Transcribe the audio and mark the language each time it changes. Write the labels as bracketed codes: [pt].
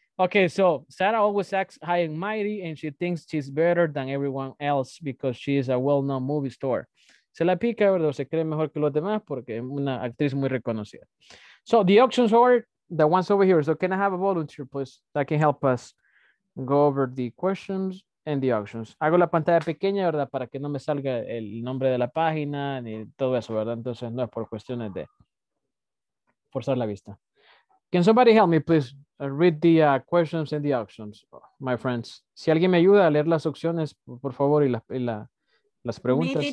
[en] Okay, so Sara always acts high and mighty, and she thinks she's better than everyone else because she is a well-known movie star. [es] Se la pica, ¿verdad? Se cree mejor que los demás porque es una actriz muy reconocida. [en] So the options are the ones over here. So can I have a volunteer, please, that can help us go over the questions and the options? [es] Hago la pantalla pequeña, ¿verdad? Para que no me salga el nombre de la página ni todo eso, ¿verdad? Entonces no es por cuestiones de forzar la vista. [en] Can somebody help me, please? Read the questions and the options, my friends. [es] Si alguien me ayuda a leer las opciones, por favor, y las preguntas.